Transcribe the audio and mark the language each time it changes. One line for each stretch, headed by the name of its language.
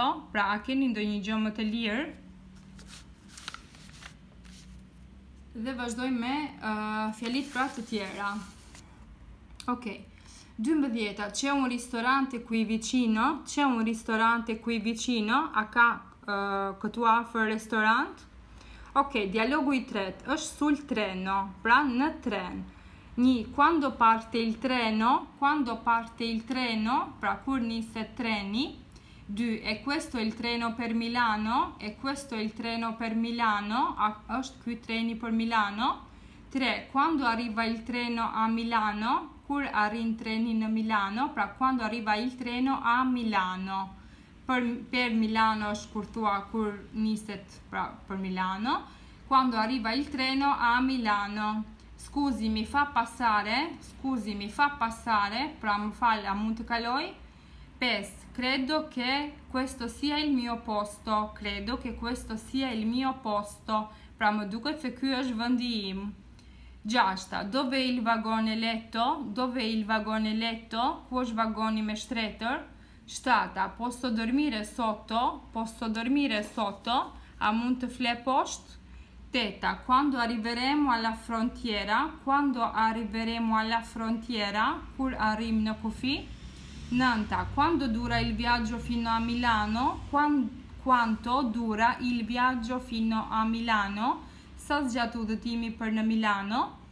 Albanian: Pra, a keni ndonjë gjë më të lirë? Dhe vazhdoj me fjalit pra të tjera. Ok. 12.
Italian: C'è un ristorante qui vicino?
Albanian: A ka këtu afër ristorant? Ok, dialogo i tret. Është sul treno, pra në tren. Një,
Italian: quando parte il treno,
Albanian: pra kur niset treni?
Italian: 2, è questo il treno per Milano? È questo il treno per Milano?
Albanian: Është ky treni per Milano?
Italian: 3, quando arriva il treno a Milano?
Albanian: Kur arrin treni në Milano?
Italian: Pra quando arriva il treno a Milano?
Albanian: Per Milano është kur thua kur niset, pra per Milano.
Italian: Quando arriva il treno a Milano? Scusi, mi fa passare? Scusi, mi fa passare? Pra, mi fa la muntcaloi? Pes, credo che questo sia il mio posto. Credo che questo sia il mio posto.
Albanian: Pra, mi duket se ky është vendim.
Italian: Gjashta, dove è il vagone letto? Dove è il vagone letto?
Albanian: Ku është vagoni me shtretër?
Italian: Shtata, posso dormire sotto? Posso dormire sotto?
Albanian: A mund të fle poshtë?
Italian: Teta, quando arriveremo alla frontiera,
Albanian: kur arrim në kufi?
Italian: Nanta, quando dura il viaggio fino a Milano? Quanto dura il viaggio fino a Milano?
Albanian: Sa zgjat udhëtimi për në Milano?